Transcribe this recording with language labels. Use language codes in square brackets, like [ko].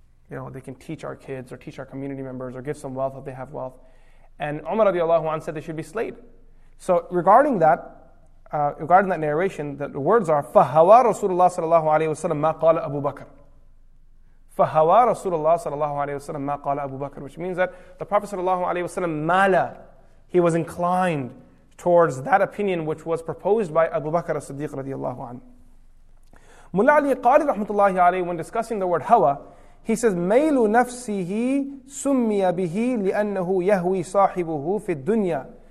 [en] You know, they can teach our kids or teach our community members or give some wealth if they have wealth. And Umar radiallahu anhu said they should be slayed. So regarding that narration, that the words are, [ar] فَهَوَى رَسُولُ اللَّهِ صَلَى اللَّهُ عَلَيْهِ وَسَلَمْ مَا قَالَ أَبُو بَكْرٍ. فَهَوَى رَسُولُ اللَّهِ صَلَى اللَّهُ عَلَيْهِ وَسَلَمْ مَا قَالَ أَبُو بَكْرٍ, [en] which means that the Prophet صلى الله عليه وسلم مَالَ, he was inclined towards that opinion which was proposed by Abu Bakr as-Siddiq radiallahu anhu. Mulla Ali Qadi rahmatullahi alayhi, when discussing the word hawa, he says, [ar] مَيْلُ نَفْسِهِ سُمِّيَ بِهِ لِأَنَّهُ يَهْوِي صَاحِبُهُ فِي الدُّنْيَا.